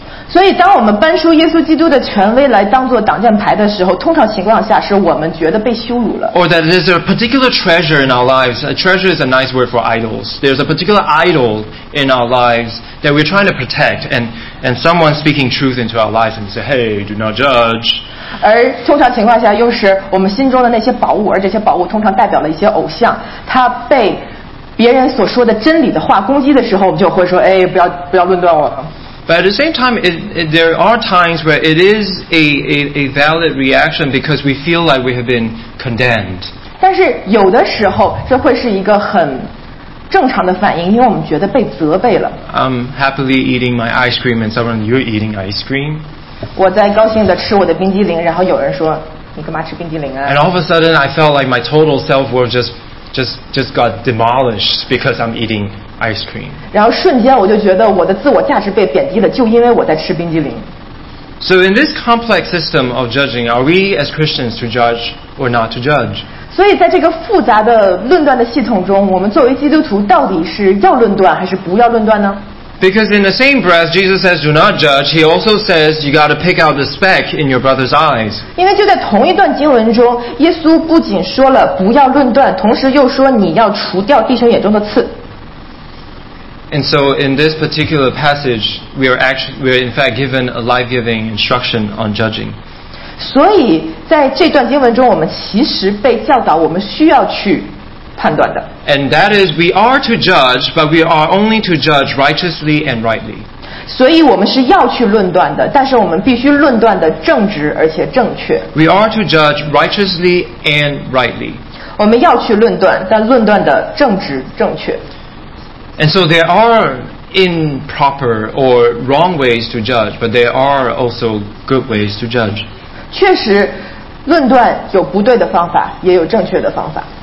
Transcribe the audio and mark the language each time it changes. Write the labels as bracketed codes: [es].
[zh] 所以，当我们搬出耶稣基督的权威来当做挡箭牌的时候，通常情况下是我们觉得被羞辱了。 [en] Or that there's a particular treasure in our lives. A treasure is a nice word for idols. There's a particular idol in our lives that we're trying to protect, and someone speaking truth into our lives and say, "Hey, do not judge." [zh] 而通常情况下又是我们心中的那些宝物而这些宝物通常代表了一些偶像它被别人所说的真理的话攻击的时候我们就会说哎，不要论断我 [en] But at the same time there are times where it is a valid reaction because we feel like we have been condemned [zh] 但是有的时候这会是一个很正常的反应因为我们觉得被责备了 [en] I'm happily eating my ice cream and someone you're eating ice cream [zh] 我在高兴地吃我的冰激凌然后有人说你干嘛吃冰激凌啊 [en] And all of a sudden I felt like my total self-worth just got demolished because I'm eating ice cream [zh] 然后瞬间我就觉得我的自我价值被贬低了就因为我在吃冰激凌 [en] So in this complex system of judging are we as Christians to judge or not to judge? [zh] 所以在这个复杂的论断的系统中我们作为基督徒到底是要论断还是不要论断呢 [en] Because in the same breath, Jesus says, "Do not judge." He also says, "You got to pick out the speck in your brother's eyes." [zh] 因为就在同一段经文中，耶稣不仅说了不要论断，同时又说你要除掉弟兄眼中的刺。 [en] And so, in this particular passage, we are in fact given a life-giving instruction on judging. [zh] 所以在这段经文中，我们其实被教导，我们需要去。 [en] And that is, we are to judge, but we are only to judge righteously and rightly. [zh] 所以我们是要去论断的，但是我们必须论断的正直而且正确。 [en] We are to judge righteously and rightly. [zh] 我们要去论断，但论断的正直正确。 [en] And so there are improper or wrong ways to judge, but there are also good ways to judge. [zh] 确实，论断有不对的方法，也有正确的方法。